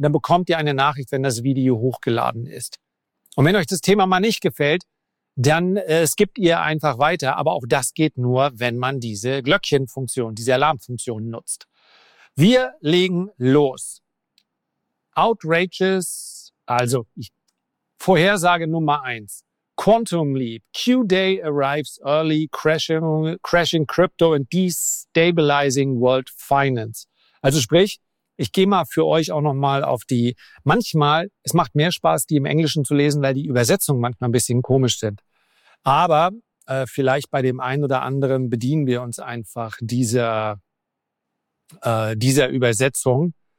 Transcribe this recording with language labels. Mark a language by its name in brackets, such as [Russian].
[German] Dann bekommt ihr eine Nachricht, wenn das Video hochgeladen ist. Und wenn euch das Thema mal nicht gefällt, dann skippt ihr einfach weiter. Aber auch das geht nur, wenn man diese Glöckchenfunktion, diese Alarmfunktion nutzt. Wir legen los. Outrageous. Also, Vorhersage Nummer 1. Quantum Leap. [English] Q-Day arrives early, crashing crypto and destabilizing world finance. [German] Also sprich, ich gehe mal für euch auch nochmal auf die, manchmal, es macht mehr Spaß, die im Englischen zu lesen, weil die Übersetzungen manchmal ein bisschen komisch sind. Aber vielleicht bei dem einen oder anderen bedienen wir uns einfach dieser Übersetzung.